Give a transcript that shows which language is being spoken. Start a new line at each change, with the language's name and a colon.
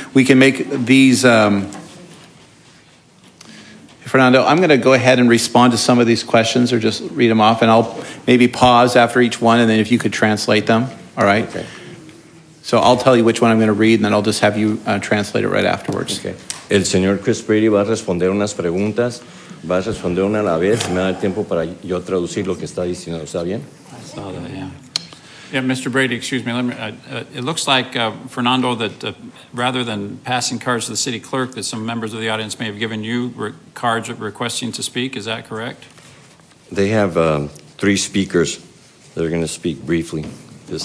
English: We can make these, Fernando, I'm gonna go ahead and respond to some of these questions or just read them off, and I'll maybe pause after each one, and then if you could translate them, all right? Okay. So I'll tell you which one I'm gonna read, and then I'll just have you translate it right afterwards. Okay.
Spanish: El señor Chris Brady va a responder unas preguntas, va a responder una a la vez, me da el tiempo para yo traducir lo que está diciendo, ¿está bien?
English: I saw that, yeah. Yeah, Mr. Brady, excuse me, let me it looks like, Fernando, that rather than passing cards to the city clerk, that some members of the audience may have given you cards requesting to speak, is that correct? They have three speakers that are going to speak briefly this